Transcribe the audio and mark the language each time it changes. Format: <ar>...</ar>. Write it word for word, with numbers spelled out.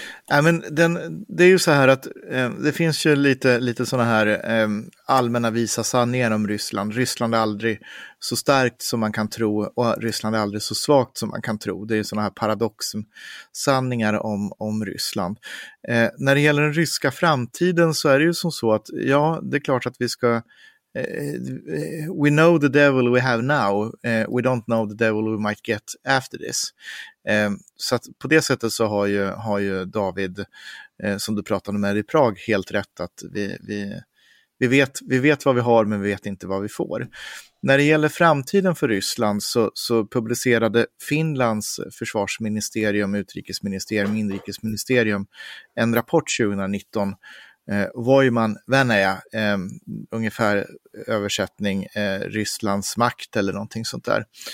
<sv>Nej, men den, det är ju så här att eh, det finns ju lite, lite sådana här eh, allmänna visa sanningar om Ryssland. Ryssland är aldrig så starkt som man kan tro och Ryssland är aldrig så svagt som man kan tro. Det är ju sådana här paradoxen, sanningar om, om Ryssland. Eh, när det gäller den ryska framtiden så är det ju som så att ja, det är klart att vi ska...</sv> <en>We know the devil we have now, uh, we don't know the devil we might get after this.</en> <sv>Um, så att på det sättet så har ju, har ju David, uh, som du pratade med i Prag, helt rätt att vi, vi, vi, vet, vi vet vad vi har men vi vet inte vad vi får. När det gäller framtiden för Ryssland så, så publicerade Finlands försvarsministerium, utrikesministerium, inrikesministerium en rapport tjugonitton, Eh, Voiman Venäjä, eh, ungefär översättning eh, Rysslands makt eller någonting sånt där.</sv>